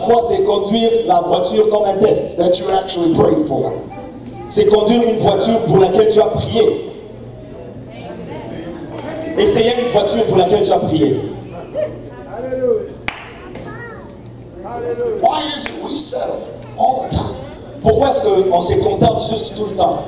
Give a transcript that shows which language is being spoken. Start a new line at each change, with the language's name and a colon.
French: foi, c'est conduire la voiture comme un test.
English: That you're actually praying for.
French: C'est conduire une voiture pour laquelle tu as prié. Essayer une voiture pour laquelle tu as prié.
English: Why is it we settle all the time?
French: Pourquoi est-ce qu'on se contente juste tout le temps?